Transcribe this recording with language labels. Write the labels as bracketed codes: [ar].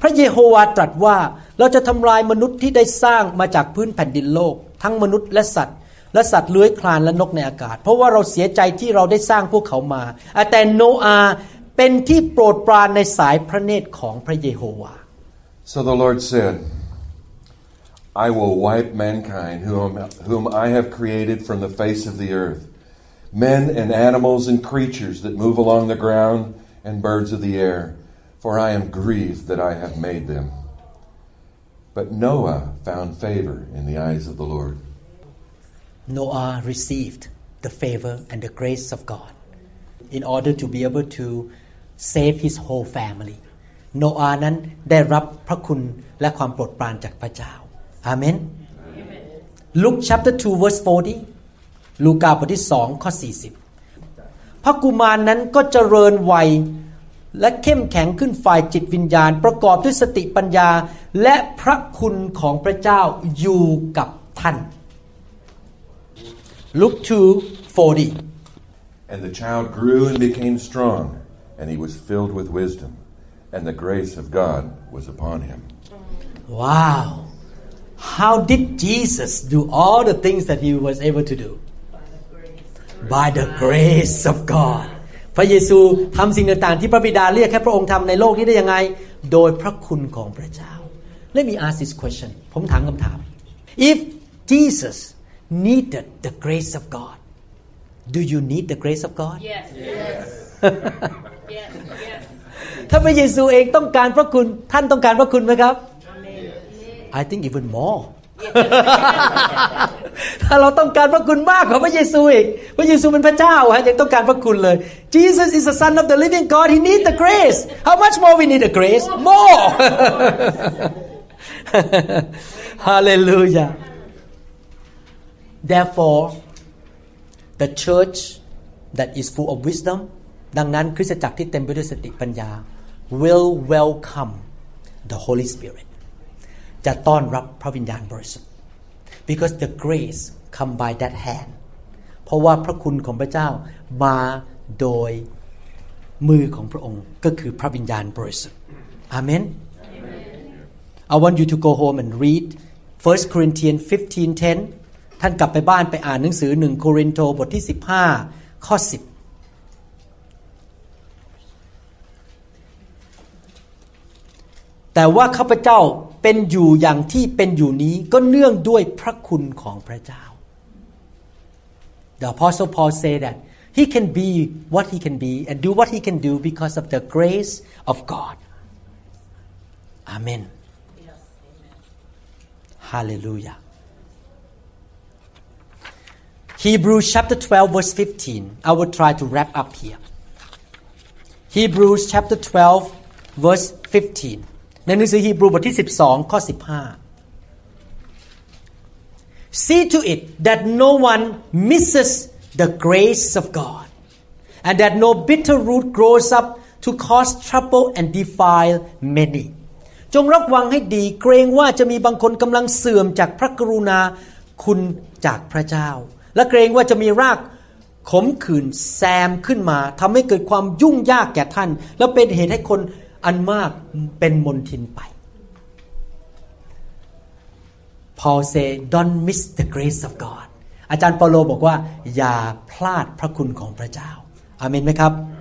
[th] พระเยโฮวาห์ตรัสว่าเราจะทำลายมนุษย์ที่ได้สร้างมาจากพื้นแผ่นดินโลกทั้งมนุษย์และสัตว์และสัตว์เลื้อยคลานและนกในอากาศเพราะว่าเราเสียใจที่เราได้สร้างพวกเขามาแต่โนอาเป็นที่โปรดปรานในสายพระเนตรของพระเยโฮวา [en] So the Lord said I will wipe mankind whom I have created from the face of the earth men and animals and creatures that move along the ground and birds of the air for I am grieved that I have made them But Noah found favor in the eyes of the Lord Noah received the favor and the grace of God in order to be able to save his whole family. [th] Noah นั้นได้รับพระคุณและความโปรดปรานจากพระเจ้า Amen. [en] Luke chapter 2 verse 40. [th] ลูกาบทที่2ข้อ40. พระกุมารนั้นก็เจริญวัยและเข้มแข็งขึ้นฝ่ายจิตวิญญาณประกอบด้วยสติปัญญาและพระคุณของพระเจ้าอยู่กับท่านLuke 2:40. [en] And the child grew and became strong, and he was filled with wisdom, and the grace of God was upon him. Wow! How did Jesus do all the things that he was able to do? By the grace of God. [th] พระเยซูทำสิ่งต่างๆที่พระบิดาเรียกให้พระองค์ทำในโลกนี้ได้ยังไงโดยพระคุณของพระเจ้า [en] Let me ask this question. [th] ผมถามคำถาม [en] If Jesusneeded the grace of God. Do you need the grace of God? Yes. I think even more. Jesus is the Son of the living God. He needs the grace. How much more we need the grace? More. Hallelujah. Therefore, the church that is full of wisdom, [th] ดังนั้นคริสตจักรที่เต็มไปด้วยสติปัญญา [en] will welcome the Holy Spirit. [th] จะต้อนรับพระวิญญาณบริสุทธิ์ [en] because the grace come by that hand. [th] เพราะว่าพระคุณของพระเจ้ามาโดยมือของพระองค์ก็คือพระวิญญาณบริสุทธิ์ Amen. [en] Amen. I want you to go home and read 1 Corinthians 15:10. [th] ท่านกลับไปบ้านไปอ่านหนังสือ1โครินโธบทที่15ข้อ10 แต่ว่าข้าพเจ้าเป็นอยู่อย่างที่เป็นอยู่นี้ก็เนื่องด้วยพระคุณของพระเจ้า [en] The Apostle Paul say that he can be what he can be and do what he can do because of the grace of God. Amen. Hallelujah. Hebrews chapter 12 verse 15. I will try to wrap up here. Hebrews chapter 12 verse 15. [th] ในหนังสือฮีบรูบทที่12ข้อ15. [en] See to it that no one misses the grace of God and that no bitter root grows up to cause trouble and defile many. [th] จงระวังให้ดีเกรงว่าจะมีบางคนกำลังเสื่อมจากพระกรุณาคุณจากพระเจ้าและเกรงว่าจะมีราก ขมขื่นแซมขึ้นมาทำให้เกิดความยุ่งยากแก่ท่านแล้วเป็นเหตุให้คนอันมากเป็นมลทินไป [en] Paul say don't miss the grace of God [th] อาจารย์เปาโลบอกว่าอย่าพลาดพระคุณของพระเจ้าอาเมนไหมครับ